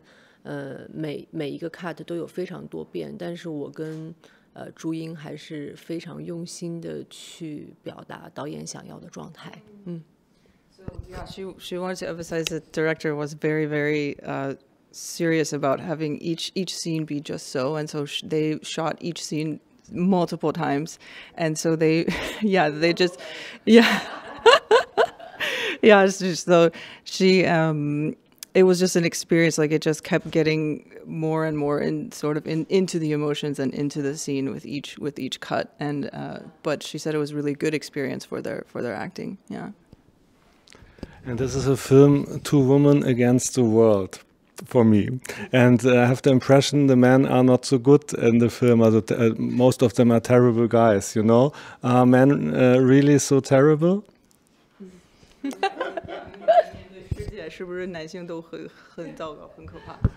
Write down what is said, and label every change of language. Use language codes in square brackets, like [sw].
[zh] 也是一个磨练的过程，磨练演技的一个过程。所以虽然每一个 cut 都有非常多变，但是我跟朱茵还是非常用心的去表达导演想要的状态。嗯。So [en] yeah, she wanted to emphasize that the director was very, very serious about having each scene be just so, and so they shot each scene multiple times, and so they, yeah, they just, yeah. Yeah, it's just so she, it was just an experience, like it just kept getting more and more in sort of into the emotions and into the scene with each cut. And, but she said it was really good experience for their acting. Yeah. And this is a film, Two Women Against the World, for me. And I have the impression the men are not so good in the film. Most of them are terrible guys, you know. Are men really so terrible? [zh] 世界是不是男性都很糟糕、很可怕？